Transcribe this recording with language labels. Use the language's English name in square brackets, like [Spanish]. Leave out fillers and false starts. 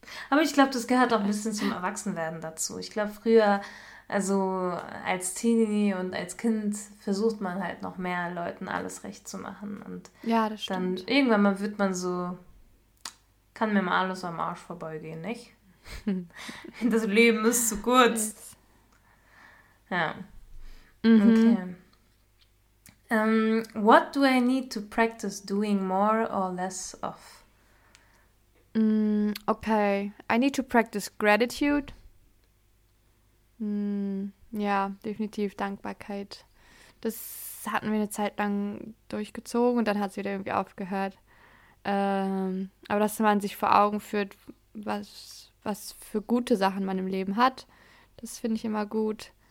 [German] Aber ich glaube, das gehört auch ein bisschen zum Erwachsenwerden dazu. Ich glaube, früher, also als Teenie und als Kind, versucht man halt noch mehr Leuten alles recht zu machen. Und ja, das stimmt. Dann irgendwann mal wird man so, kann mir mal alles am Arsch vorbeigehen, nicht? Das Leben ist zu kurz. Ja. Mhm. Okay. [English] What do I need to practice doing more or less of? Okay. I need to practice gratitude. [German] Ja, definitiv Dankbarkeit. Das hatten wir eine Zeit lang durchgezogen und dann hat es wieder irgendwie aufgehört. Aber dass man sich vor Augen führt, was für gute Sachen man im Leben hat, das finde ich immer gut.